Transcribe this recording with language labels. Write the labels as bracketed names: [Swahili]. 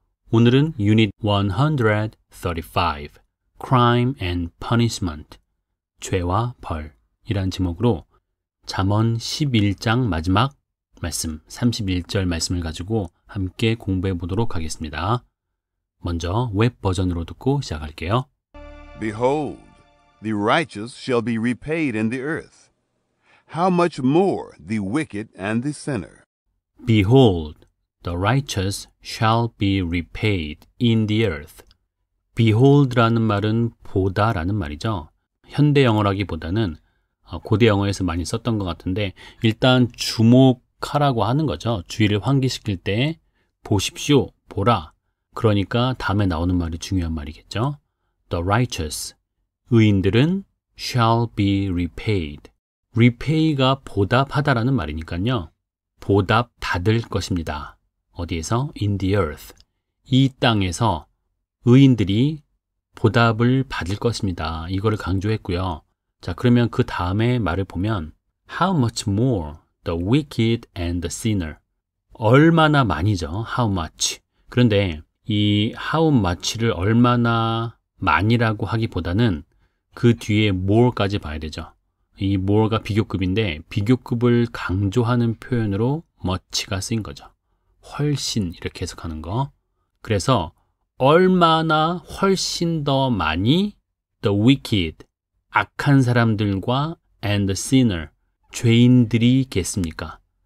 [Korean] 오늘은 Unit 135, [English] Crime and Punishment, [Korean] 죄와 벌이라는 제목으로 잠언 11장 마지막 말씀, 31절 말씀을 가지고 함께 공부해 보도록 하겠습니다. 먼저 웹 버전으로 듣고 시작할게요. [English] Behold, the righteous shall be repaid in the earth. How much more the wicked and the sinner? Behold, the righteous shall be repaid in the earth. [Korean] Behold라는 말은 보다라는 말이죠. 현대 영어라기보다는 고대 영어에서 많이 썼던 것 같은데 일단 주목 하라고 하는 거죠. 주의를 환기시킬 때 보십시오, 보라. 그러니까 다음에 나오는 말이 중요한 말이겠죠. [English] The righteous, 의인들은 shall be repaid. [Korean] Repay가 보답하다라는 말이니까요. 보답 받을 것입니다. 어디에서? [English] In the earth. [Korean] 이 땅에서 의인들이 보답을 받을 것입니다. 이거를 강조했고요. 자, 그러면 그 다음에 말을 보면 [English] How much more? The wicked and the sinner. [Korean] 얼마나 많이죠? [English] How much? [Korean] 그런데 이 how much를 얼마나 많이라고 하기보다는 그 뒤에 more까지 봐야 되죠. 이 more가 비교급인데 비교급을 강조하는 표현으로 much가 쓰인 거죠. 훨씬 이렇게 해석하는 거. 그래서 얼마나 훨씬 더 많이 [English] the wicked, [Korean] 악한 사람들과 [English] and the sinner, [Korean] 죄인들이 겠습니까?